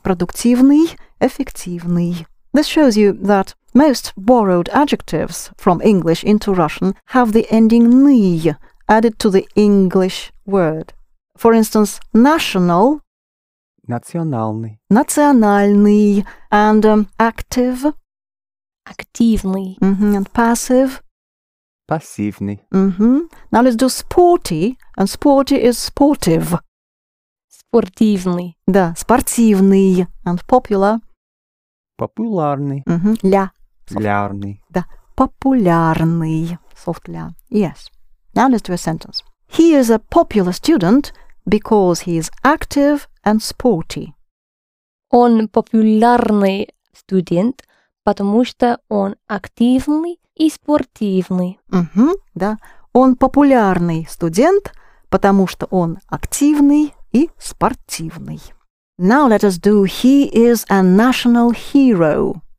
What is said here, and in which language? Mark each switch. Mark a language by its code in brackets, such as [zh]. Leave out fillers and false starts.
[ru] Продуктивный, эффективный. [en] This shows you that most borrowed adjectives from English into Russian have the ending -ny added to the English word. For instance, national. [ru] Национальный. [en] Национальный. And active. [ru] Активный. [en] Mm-hmm. And passive. [ru] Пассивный. [en] Mm-hmm. Now let's do sporty. And sporty is sportive. [ru] Спортивный. Да, спортивный. [en] And popular. [ru] Популярный. Mm-hmm. Ля. Популярный. Да, популярный. [en] Soft ля. Yes. Now let's do a sentence. He is a popular student because he is active and sporty. [ru] Он популярный студент, потому что он активный и спортивный. Угу, да. Он популярный студент, потому что он активный и спортивный. [en] Now let us do he is a national hero.